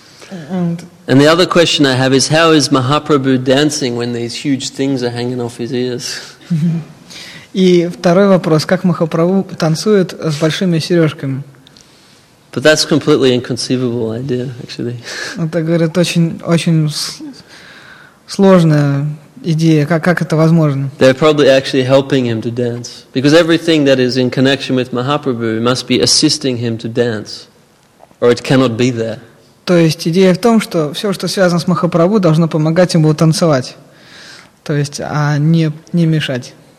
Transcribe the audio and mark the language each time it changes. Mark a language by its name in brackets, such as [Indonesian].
[English] And the other question I have is, how is Mahaprabhu dancing when these huge things are hanging off his ears? [Russian] И второй вопрос, как Махапрабху танцует с большими сережками? [English] But that's completely inconceivable idea, actually. [Russian] Это, говорит, очень сложная идея, как это возможно? [English] They're probably actually helping him to dance, because everything that is in connection with Mahaprabhu must be assisting him to dance, or it cannot be there. [Russian] То есть идея в том, что все, что связано с Махапрабху, должно помогать ему танцевать, то есть, а не мешать.